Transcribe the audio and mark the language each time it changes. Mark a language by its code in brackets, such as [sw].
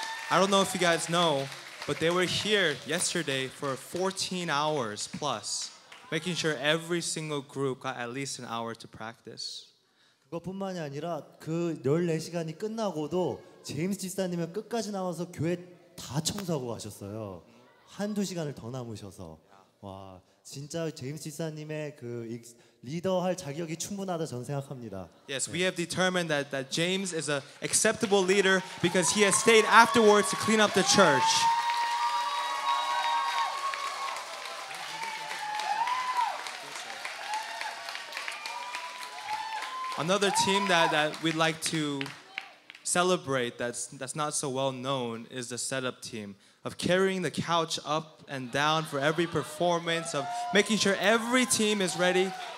[en] I don't know if you guys know, but they were here yesterday for 14 hours plus, making sure every single group got at least an hour to practice. [ko] 그것뿐만이 아니라 그 14시간이 끝나고도 제임스 집사님은 끝까지 나와서 교회 다 청소하고 가셨어요. 한두 시간을 더 남으셔서. 와, 진짜 제임스 집사님의 그 리더 할 자격이 충분하다 전 생각합니다. [en] Yes, we have determined that James is an acceptable leader because he has stayed afterwards to clean up the church. Another team that we'd like to celebrate that's not so well known is the setup team of carrying the couch up and down for every performance, of making sure every team is ready.